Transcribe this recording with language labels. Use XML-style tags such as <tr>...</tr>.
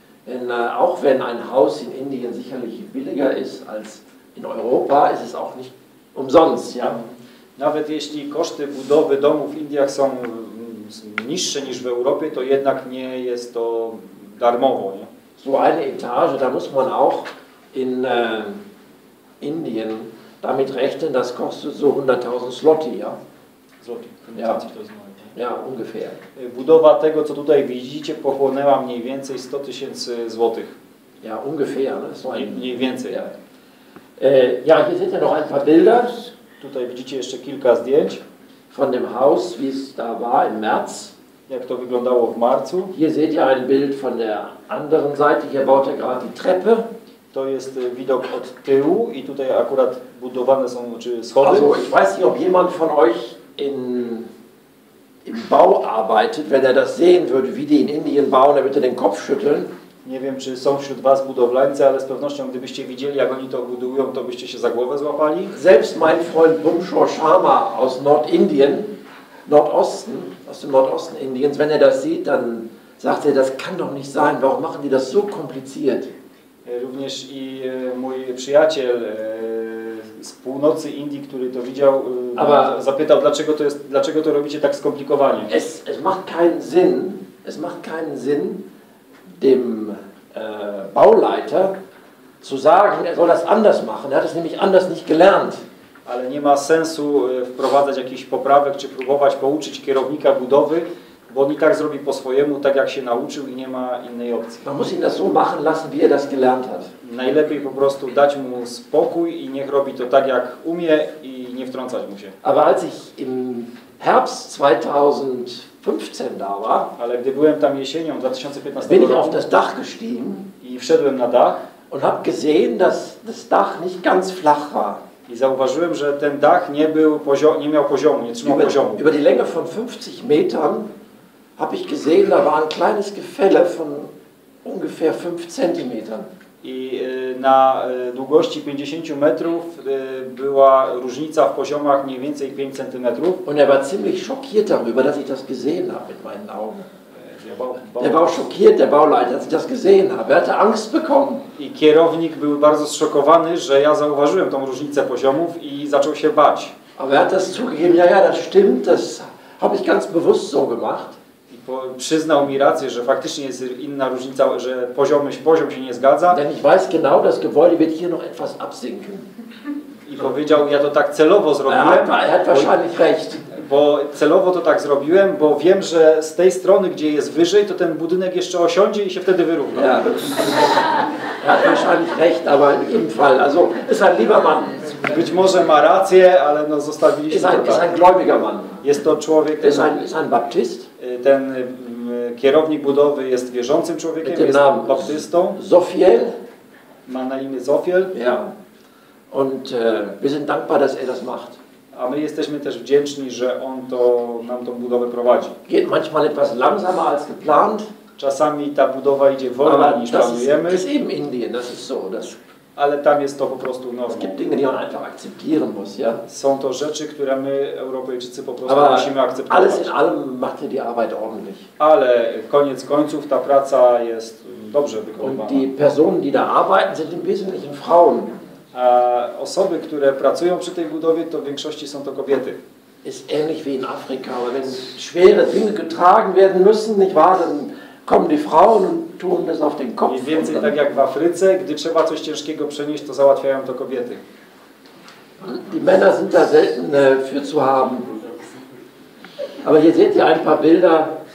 <de>Denn auch wenn ein Haus in Indien sicherlich billiger ist als in Europa, ist es auch nicht umsonst, ja?</de> <pl>Nawet jeśli koszty budowy domu w Indiach są niższe niż w Europie, to jednak nie jest to darmowo, nie?</pl> <de>So eine Etage, da muss man auch in Indien damit rechnen, das kostet so 100.000 Zloty, ja? Zloty, 100.000 Zloty. Ja, ungefähr.</de> <pl>Budowa tego, co tutaj widzicie, pochłonęła mniej więcej 100 tysięcy złotych.</pl> <de>Ja, ungefähr. Ne? So ein...</de> <pl>Mniej więcej.</pl> <de>Ja. Ja, hier seht ihr noch ein paar Bilder.</de> <pl>Tutaj widzicie jeszcze kilka zdjęć.</pl> <de>Von dem Haus, wie es da war im März.</de> <pl>Jak to wyglądało w marcu.</pl> <de>Hier seht ihr ein Bild von der anderen Seite. Hier baut er gerade die Treppe.</de> <pl>To jest widok od tyłu i tutaj akurat budowane są, czy schody.</pl> <de>Also, ich weiß nicht, ob jemand von euch in... im Bau arbeitet, wenn er das sehen würde, wie die in Indien bauen, er würde den Kopf schütteln.</de> <pl>Nie wiem, czy są wśród was budowlańcy, ale z pewnością, gdybyście widzieli, jak oni to budują, to byście się za głowę złapali.</pl> <de>Selbst mein Freund Bumshaw Sharma aus Nordindien, Nordosten, aus dem Nordosten Indiens, wenn er das sieht, dann sagt er, das kann doch nicht sein, warum machen die das so kompliziert?</de> <pl>Również i mój przyjaciel z północy Indii, który to widział,</pl> <de>aber</de> <pl>zapytał, dlaczego to robicie tak skomplikowanie.</pl> <de>Es macht keinen Sinn, es macht keinen Sinn, dem Bauleiter zu sagen, er soll das anders machen, er hat es nämlich anders nicht gelernt.</de> <pl>Ale nie ma sensu wprowadzać jakichś poprawek, czy próbować pouczyć kierownika budowy, bo on i tak zrobi po swojemu, tak jak się nauczył i nie ma innej opcji.</pl> <de>Man muss ihn das so machen lassen, wie er das gelernt hat.</de> <pl>Najlepiej po prostu dać mu spokój i niech robi to tak, jak umie i nie wtrącać mu się.</pl> <de>Aber als ich im Herbst 2015 da war,</de> <pl>ale gdy byłem tam jesienią 2015 roku,</pl> <de>bin ich auf das Dach gestiegen</de> <pl>i wszedłem na dach</pl> <de>und hab gesehen, dass das Dach nicht ganz flach war.</de> <pl>I zauważyłem, że ten dach nie był nie miał poziomu, nie trzymał poziomu.</pl> <de>Über die Länge von 50 Metern habe ich gesehen, da war ein kleines Gefälle von ungefähr 5 cm.</de> <pl>I na długości 50 metrów była różnica w poziomach mniej więcej 5 cm.</pl> <de>Und er war ziemlich schockiert darüber, dass ich das gesehen habe mit meinen Augen. Der Bauleiter, als ich das gesehen habe, er hatte Angst bekommen.</de> <pl>I kierownik był bardzo zszokowany, że ja zauważyłem tą różnicę poziomów i zaczął się bać.</pl> <de>Aber er hat das zugegeben, ja, das stimmt, das habe ich ganz bewusst so gemacht.</de> <pl>I przyznał mi rację, że faktycznie jest inna różnica, że poziom się nie zgadza.</pl> <de>Denn ich weiß genau, das Gebäude wird hier noch etwas absinken.</de> <pl>I powiedział, ja to tak celowo zrobiłem.</pl> <de>Er hat wahrscheinlich recht.</de> <pl>Bo celowo to tak zrobiłem, bo wiem, że z tej strony, gdzie jest wyżej, to ten budynek jeszcze osiądzie i się wtedy wyrówna.</pl> <de>Ja, hat wahrscheinlich recht, aber in jedem Fall. Also, ist ein lieber Mann.</de> <pl>Być może ma rację, ale no zostawiliśmy.</pl> <de>Ist ein gläubiger Mann.</de> <pl>Jest to człowiek. Ten,</pl> <de>ist ein Baptist.</de> <pl>Ten kierownik budowy jest wierzącym człowiekiem, jest baptystą. Zofiel. Ma na imię Zofiel.</pl> <de>Ja. Und wir sind dankbar, dass er das macht.</de> <pl>A my jesteśmy też wdzięczni, że on to nam tą budowę prowadzi.</pl> <de>Geht manchmal etwas langsamer als geplant.</de> <pl>Czasami ta budowa idzie wolniej niż planujemy.</pl> <de>Das ist eben Indien, das ist so. Das...</de> <pl>Ale tam jest to po prostu normą.</pl> <de>Es gibt Dinge, die man einfach akzeptieren muss, ja?</de> <pl>Są to rzeczy, które my, Europejczycy, po prostu</pl> <de>aber</de> <pl>musimy akceptować.</pl> <de>Alles in allem macht die Arbeit ordentlich.</de> <pl>Ale koniec końców ta praca jest dobrze wykonywana.</pl> <de>Und die Personen, die da arbeiten, sind im Wesentlichen Frauen.</de> <pl>A osoby, które pracują przy tej budowie, to w większości są to kobiety.</pl> <de>Ist ähnlich wie in Afrika, aber wenn schwere Dinge getragen werden müssen, nicht wahr, dann kommen die Frauen und tun das auf den Kopf.</de> <pl>Mniej więcej tak jak w Afryce, gdy trzeba coś ciężkiego przenieść, to załatwiają to kobiety.</pl> <de>Die Männer sind da selten für zu haben. Aber hier seht ihr ein paar Bilder.</de>